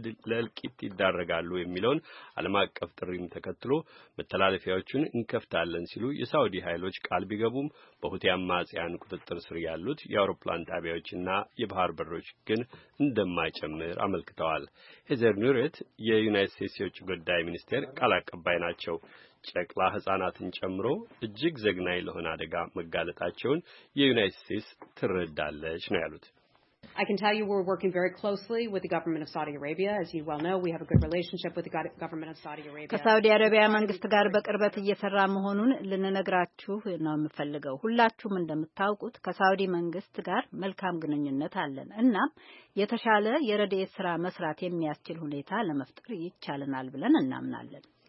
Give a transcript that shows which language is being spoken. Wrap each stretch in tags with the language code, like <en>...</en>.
<am>ለእልቂት ይዳረጋሉ የሚለውን ዓለም አቀፍ ጥሪም ተከትሎ መተላለፊያዎቹን እንከፍታለን ሲሉ የሳውዲ ኃይሎች ቃል ቢገቡም በሁቲ አማጽያን ቁጥጥር ስር ያሉት የአውሮፕላን ጣቢያዎችና የባህር በሮች ግን እንደማይጨምር አመልክተዋል። ኑሬት የዩናይትድ ስቴትስ የውጭ ጉዳይ ሚኒስቴር ቃል አቀባይ ናቸው። ጨቅላ ሕፃናትን ጨምሮ እጅግ ዘግናይ ለሆነ አደጋ መጋለጣቸውን የዩናይትድ ስቴትስ ትረዳለች ነው ያሉት።</am> <en>I can tell you we're working very closely with the government of Saudi Arabia. As you well know, we have a good relationship with the government of Saudi Arabia.</en> <am>ከሳውዲ አረቢያ መንግስት ጋር በቅርበት እየሰራ መሆኑን ልንነግራችሁ ነው የምፈልገው። ሁላችሁም እንደምታውቁት ከሳውዲ መንግስት ጋር መልካም ግንኙነት አለን እና የተሻለ የረድኤት ስራ መስራት የሚያስችል ሁኔታ ለመፍጠር ይቻለናል ብለን እናምናለን።</am>